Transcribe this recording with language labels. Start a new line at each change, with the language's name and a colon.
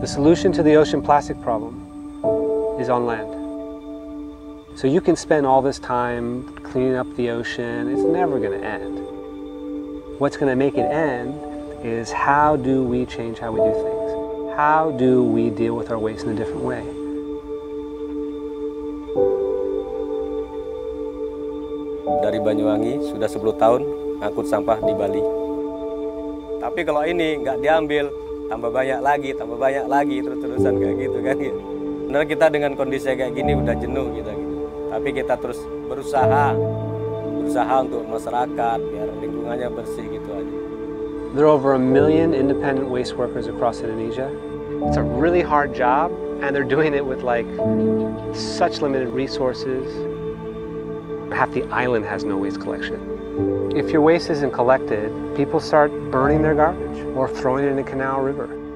English: The solution to the ocean plastic problem is on land. So you can spend all this time cleaning up the ocean. It's never going to end. What's going to make it end is how do we change how we do things? How do we deal with our waste in a different way?
Indonesian: Dari Banyuwangi sudah 10 tahun ngangkut sampah di Bali. Tapi kalau ini nggak diambil, tambah banyak lagi terus-terusan kayak gitu kan. Benar kita dengan kondisi kayak gini udah jenuh gitu. Tapi kita terus berusaha untuk masyarakat biar lingkungannya bersih gitu aja.
English: There are over a million independent waste workers across Indonesia. It's a really hard job and they're doing it with like such limited resources. Half the island has no waste collection. If your waste isn't collected, people start burning their garbage or throwing it in a canal river.